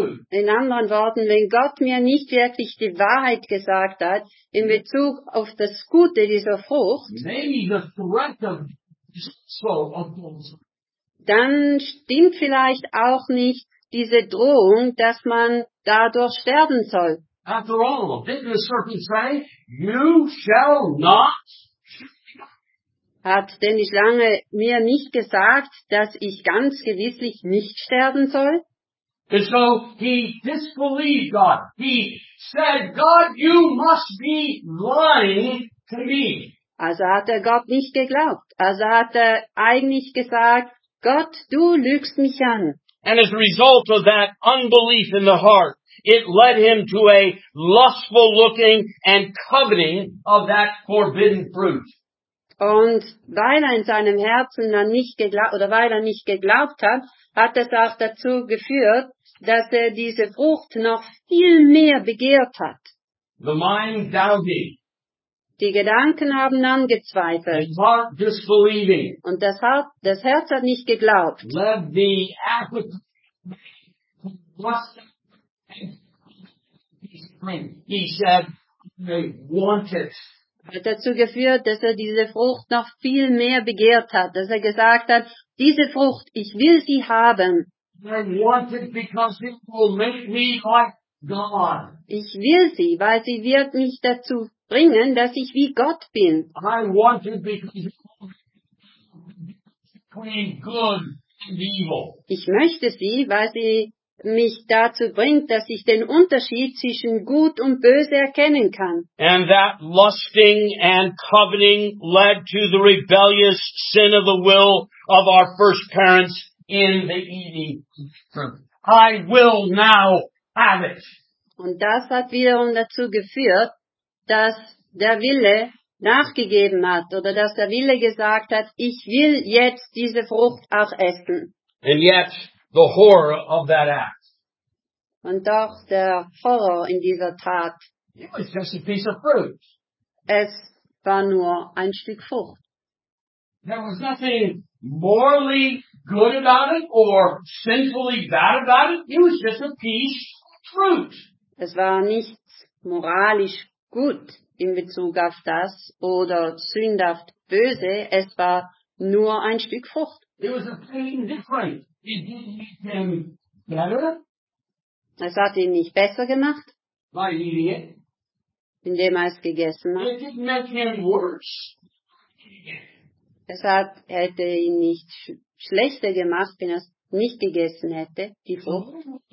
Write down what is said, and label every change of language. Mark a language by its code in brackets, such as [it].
[de] in anderen Worten, wenn Gott mir nicht wirklich die Wahrheit gesagt hat in Bezug auf das Gute dieser Frucht, dann stimmt vielleicht auch nicht diese Drohung, dass man dadurch sterben soll. [en] After all, didn't the serpent say, "You shall not"? [de] Hat denn die Schlange mir nicht gesagt, dass ich ganz gewisslich nicht sterben soll? [en] And so he disbelieved God. He said, God, you must be lying to me. [de] Also hat er Gott nicht geglaubt. Also hat er eigentlich gesagt, Gott, du lügst mich an. [en] And as a result of that unbelief in the heart, it led him to a lustful looking and coveting of that forbidden fruit. [de] Und weil er in seinem Herzen dann nicht geglaubt, oder weil er nicht geglaubt hat, hat es auch dazu geführt, dass er diese Frucht noch viel mehr begehrt hat. [en] The mind doubting. [de] Die Gedanken haben angezweifelt. [en] The heart disbelieving. [de] Und das Herz hat nicht geglaubt. [en] Let the appetite lust and he said, they want it. [de] Hat dazu geführt, dass er diese Frucht noch viel mehr begehrt hat, dass er gesagt hat, diese Frucht, ich will sie haben. [en] I want it because it will make me like God. [de] Ich will sie, weil sie wird mich dazu bringen, dass ich wie Gott bin. [en] I want it because it will make me good and evil. [de] Ich möchte sie, weil sie mich dazu bringt, dass ich den Unterschied zwischen Gut und Böse erkennen kann. [en] And that lusting and coveting led to the rebellious sin of the will of our first parents in the Eden. I will now have it. [de] Und das hat wiederum dazu geführt, dass der Wille nachgegeben hat oder dass der Wille gesagt hat, ich will jetzt diese Frucht auch essen. [en] And yet, the horror of that act. [de] Und doch der Horror in dieser Tat. [en] It was just a piece of fruit. Es war nur ein Stück Frucht. There was nothing morally good about it or sinfully bad about it. It was just a piece of fruit. [de] Es war nichts moralisch gut in Bezug auf das oder sündhaft böse. Es war nur ein Stück Frucht. [en] It was a plain difference. It didn't make him better. [de] Es hat ihn nicht besser gemacht. [en] By eating it. [de] Indem er es gegessen hat. [en] It didn't make him worse. [de] Es hat, hätte ihn nicht schlechter gemacht, wenn er es nicht gegessen hätte, die Frucht.